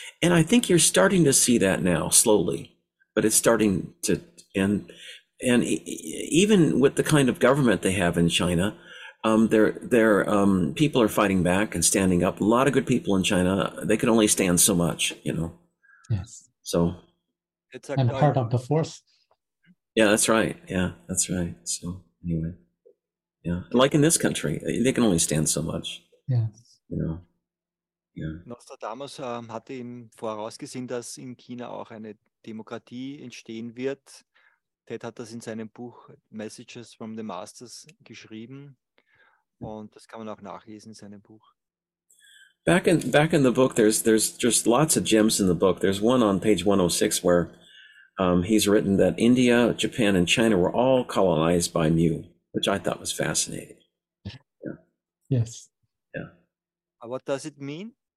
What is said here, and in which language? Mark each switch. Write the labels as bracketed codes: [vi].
[en] And I think you're starting to see that now slowly, but it's starting to, and even with the kind of government they have in China, people are fighting back and standing up. A lot of good people in China, they can only stand so much, you know. Yes. So. It's a part of the force. Yeah, that's right. Yeah, that's right. So anyway. Yeah, like in this country, they can only stand so much. Yeah. [de] Nostradamus hatte ihm vorausgesehen, dass in China auch eine Demokratie entstehen wird. Ted hat das in seinem Buch Messages from the Masters geschrieben. Und das kann man auch nachlesen in seinem Buch. [en] Back in the book, there's just lots of gems in the book. There's one on page 106 where he's written that India, Japan, and China were all colonized by Mu. Which I thought was fascinating. Yeah. Yes. Yeah. What does it mean?